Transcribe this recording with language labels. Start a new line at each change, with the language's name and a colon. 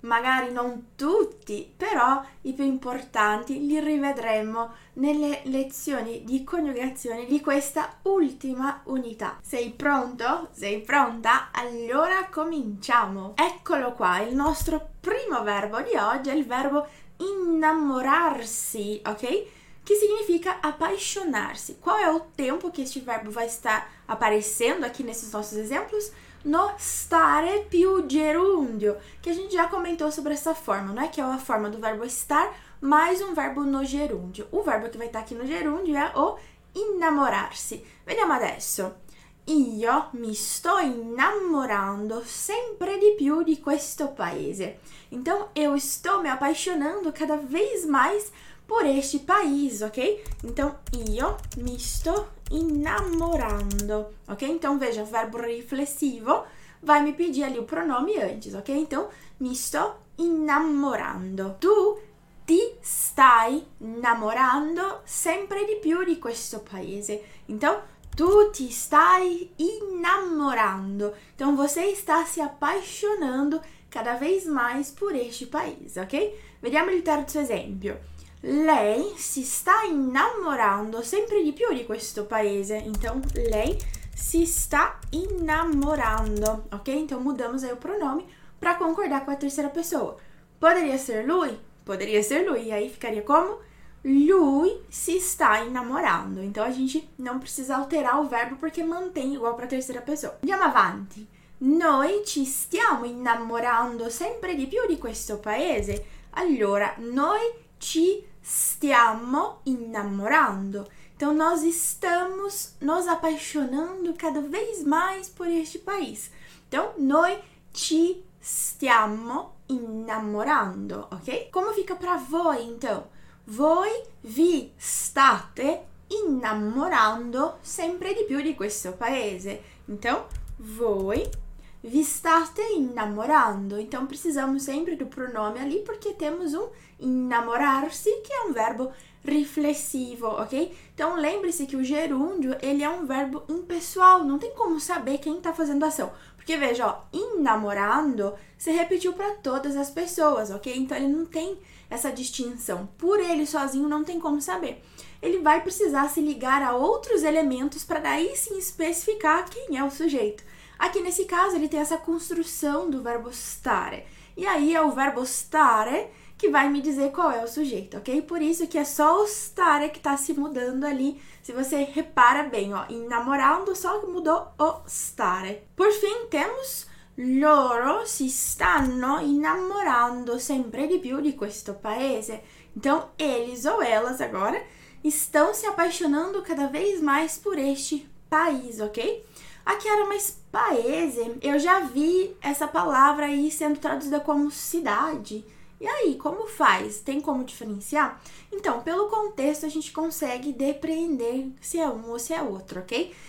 Italian: Magari non tutti, però i più importanti li rivedremo nelle lezioni di coniugazione di questa ultima unità. Sei pronto? Sei pronta? Allora cominciamo! Eccolo qua, il nostro primo verbo di oggi è il verbo innamorarsi, ok? Che significa appassionarsi.
Portuguese: Qual è o tempo que este verbo vai estar aparecendo aqui nesses nossos exemplos? No stare più gerúndio, que a gente já comentou sobre essa forma, não é? Que é a forma do verbo estar mais um verbo no gerúndio. O verbo que vai estar aqui no gerúndio é o innamorarsi.
Italian: Vediamo adesso. Io mi sto innamorando sempre di più di questo paese.
Portuguese: Então, eu estou me apaixonando cada vez mais por este país, ok? Então,
Italian: io mi sto innamorando, ok?
Portuguese: Então, veja, o verbo riflessivo vai me pedir ali o pronome antes, ok? Então,
Italian: mi sto innamorando. Tu ti stai namorando sempre di più di questo paese.
Portuguese: Então,
Italian: tu ti stai innamorando.
Portuguese: Então, você está se apaixonando cada vez mais por este país, ok?
Italian: Vediamo il terzo esempio. Lei si sta innamorando sempre di più di questo paese.
Portuguese: Então,
Italian: lei si sta innamorando, ok?
Portuguese: Então, mudamos aí o pronome para concordar com a terceira pessoa. Poderia ser lui? Poderia ser lui. E aí ficaria como?
Italian: Lui si sta innamorando.
Portuguese: Então, a gente não precisa alterar o verbo porque mantém igual para a terceira pessoa.
Italian: Andiamo avanti. Noi ci stiamo innamorando sempre di più di questo paese. Allora, noi ci stiamo innamorando.
Portuguese: Então, nós estamos nos apaixonando cada vez mais por este país. Então,
Italian: noi ci stiamo innamorando, ok?
Portuguese: Como fica para voi, então?
Italian: Voi vi state innamorando sempre di più di questo paese.
Portuguese: Então,
Italian: voi vi state innamorando.
Portuguese: Então, precisamos sempre do pronome ali porque temos um innamorarsi que é um verbo riflessivo, ok? Então, lembre-se que o gerúndio, ele é um verbo impessoal. Não tem como saber quem está fazendo ação. Porque, veja, ó, innamorando se repetiu para todas as pessoas, ok? Então, ele não tem essa distinção. Por ele sozinho, não tem como saber. Ele vai precisar se ligar a outros elementos para daí sim especificar quem é o sujeito. Aqui nesse caso, ele tem essa construção do verbo stare. E aí é o verbo stare que vai me dizer qual é o sujeito, ok? Por isso que é só o stare que está se mudando ali. Se você repara bem, ó, innamorando só mudou o stare. Por fim, temos
Italian: loro si stanno innamorando sempre di più di questo paese.
Portuguese: Então, eles ou elas agora estão se apaixonando cada vez mais por este país, ok? Aqui era mais paese, eu já vi essa palavra aí sendo traduzida como cidade. E aí, como faz? Tem como diferenciar? Então, pelo contexto, a gente consegue depreender se é um ou se é outro, ok?